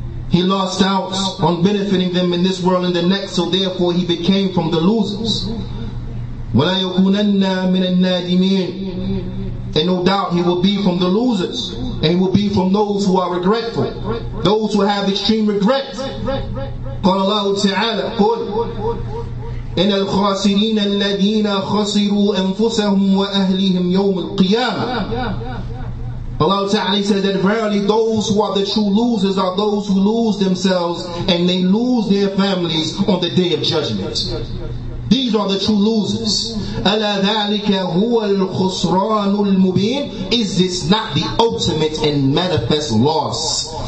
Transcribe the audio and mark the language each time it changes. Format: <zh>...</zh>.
<en>He lost out on benefiting them in this world and the next, so therefore he became from the losers.</en> <ar>وَلَا يَكُونَنَّا مِنَ النَّادِمِينَ.</ar> <en>And no doubt he will be from the losers. And he will be from those who are regretful. Those who have extreme regret.</en> <ar>قال الله تعالى قل إن الخاسرين الذين خسروا أنفسهم وأهليهم يوم القيامة.</ar> <en>Allah Ta'ala said that verily those who are the true losers are those who lose themselves and they lose their families on the day of judgment. These are the true losers.</en> <ar>أَلَا ذَٰلِكَ هُوَ الْخُسْرَانُ الْمُبِينُ.</ar> <en>Is this not the ultimate and manifest loss?</en>